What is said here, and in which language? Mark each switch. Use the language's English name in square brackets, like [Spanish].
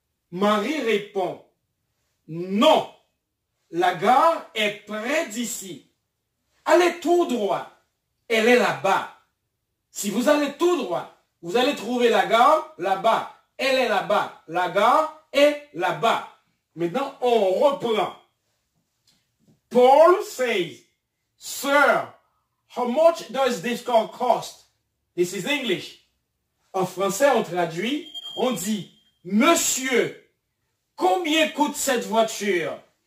[French] Marie répond, "Non, la gare est près d'ici. Allez tout droit, elle est là-bas. Si vous allez tout droit, vous allez trouver la gare là-bas. Elle est là-bas, la gare est là-bas." Maintenant, on reprend. [English] Paul says, "Sir, how much does this car cost?" This is English. [French] En français, on traduit, on dit, "Monsieur, combien coûte cette voiture?"